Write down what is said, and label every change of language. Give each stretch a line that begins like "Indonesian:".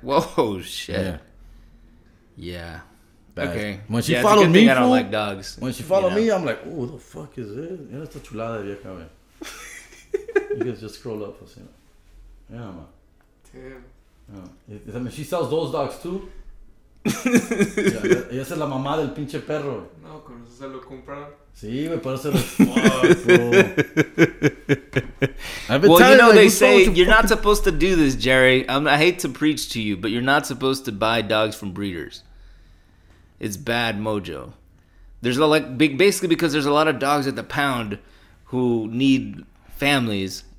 English: Whoa, shit. Yeah. Bad. Okay. When she followed it's a good me, thing fool, I don't like dogs. When she followed me, I'm like, oh, what the fuck is this? You know, it's a chulada, vieja, man. You guys just scroll up. Yeah, man. Damn. Yeah. I mean, she sells those dogs too.
Spanish: Yeah, ella es la mamá del pinche perro. No, con eso se lo compraron. Sí, me parece.
English: Well, you know, like, they say you're not supposed to do this, Jerry. I hate to preach to you, but you're not supposed to buy dogs from breeders. It's bad mojo. There's a, like, basically because there's a lot of dogs at the pound who need families.